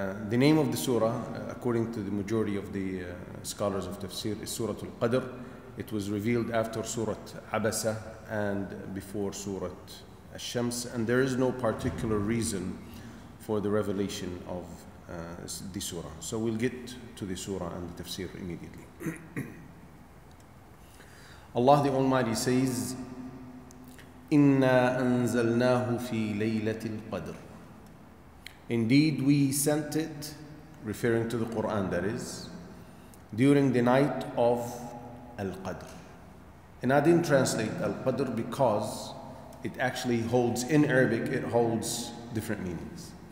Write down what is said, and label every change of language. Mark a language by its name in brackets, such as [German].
[English] The name of the surah, according to the majority of the scholars of tafsir, is Surah Al-Qadr. It was revealed after Surah Abasa and before Surah Ash-Shams, and there is no particular reason for the revelation of the surah. So we'll get to the surah and the tafsir immediately. Allah the Almighty says, [Arabic] إِنَّا أَنزَلْنَاهُ فِي لَيْلَةِ الْقَدْرِ. [English] Indeed, we sent it, referring to the Quran, that is, during the night of Al-Qadr. And I didn't translate Al-Qadr because it actually holds, in Arabic, it holds different meanings.